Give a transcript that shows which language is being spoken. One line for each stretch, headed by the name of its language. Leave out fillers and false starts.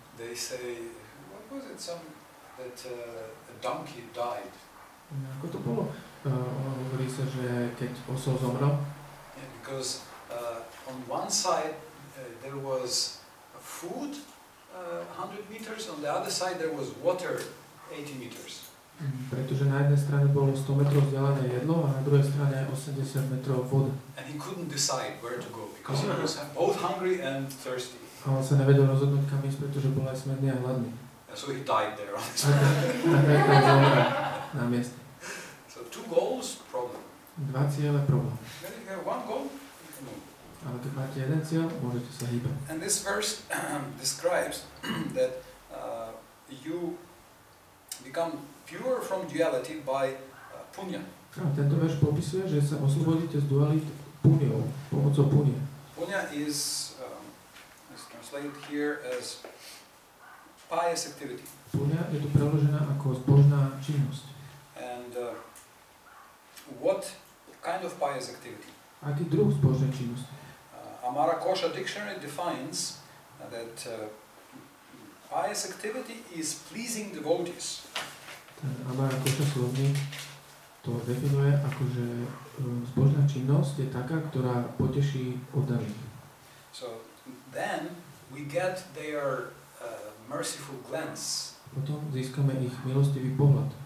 English: They say, what was it, a donkey died.
Slovak: No, ako to bolo? Hovorí sa, že keď osol zomrel.
English: Yeah, because on one side there was food 100 meters, on the other side there was water 80 meters.
Slovak: Pretože na jednej strane bolo 100 metrov vzdialené jedlo a na druhej strane 80 metrov voda.
English: And he couldn't decide where to go because he was both hungry and thirsty.
Slovak: A on sa nevedel rozhodnúť kam ísť, pretože bol aj smedný a hladný.
English: And so he died there.
Slovak: Na mieste.
English: Two goals, problem.
Slovak: Dva ciele, problém.
English: Then if you have one goal, you can move.
Slovak: Ale keď máte jeden cieľ, môžete sa hýbať.
English: And this verse describes that you become pure from duality by punya.
Slovak: A tento verš popisuje, že sa oslobodíte z duality punyou, pomocou punya.
English: Punya is translated here as pious activity.
Slovak: Punya je tu preložená ako zbožná činnosť.
English: And what kind of pious activity?
Slovak: Aký druh zbožnej činnosti?
English: Amara Kosha dictionary defines that pious activity is pleasing devotees.
Slovak: Amara Kosha slovník to definuje ako, že zbožná činnosť je taká, ktorá poteší oddaných.
English: So then we get their merciful glance.
Slovak: Potom získame ich milostivý pohľad.